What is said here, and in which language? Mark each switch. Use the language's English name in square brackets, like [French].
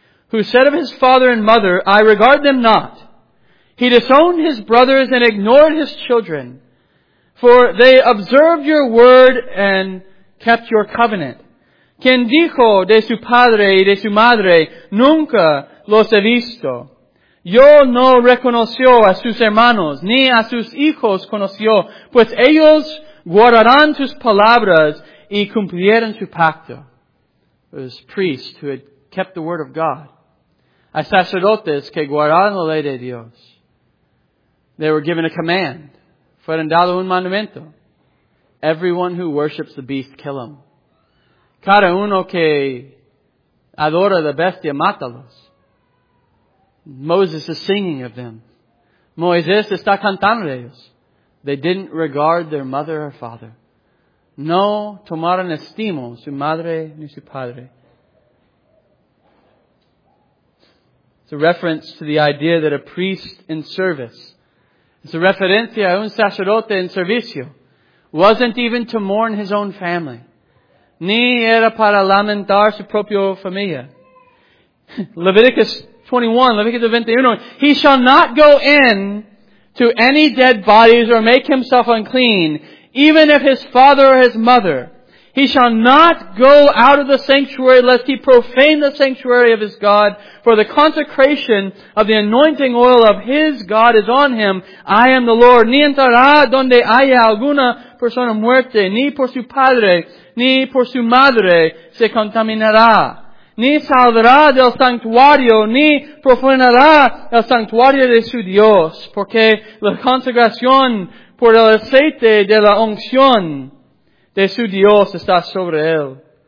[English] Who said of his father and mother, I regard them not. He disowned his brothers and ignored his children. For they observed your word and kept your covenant. [Spanish] Quien dijo de su padre y de su madre, nunca los he visto. Yo no reconoció a sus hermanos, ni a sus hijos conoció. Pues ellos guardarán tus palabras y cumplieron su pacto. [English] It was priests who had kept the word of God. [Spanish] A sacerdotes que guardaron la ley de Dios. [English] They were given a command. [Spanish] Fueron dado un mandamiento. [English] Everyone who worships the beast, kill him. [Spanish] Cada uno que adora la bestia, mátalos. [English] Moses is singing of them. [Spanish] Moisés está cantando de ellos. [English] They didn't regard their mother or father. [Spanish] No tomaron estimo su madre ni su padre. [English] It's a reference to the idea that a priest in service, it's [Spanish] a referencia a un sacerdote en servicio, [English] wasn't even to mourn his own family. [Spanish] Ni era para lamentar su propia familia. [English] Leviticus 21, Leviticus 21, he shall not go in to any dead bodies or make himself unclean, even if his father or his mother. He shall not go out of the sanctuary lest he profane the sanctuary of his God, for the consecration of the anointing oil of his God is on him. I am the Lord. [Spanish] Ni entrará donde haya alguna persona muerte, ni por su padre, ni por su madre se contaminará. Ni saldrá del santuario, ni profanará el santuario de su Dios, porque la consagración por el aceite de la unción de su Dios está sobre él.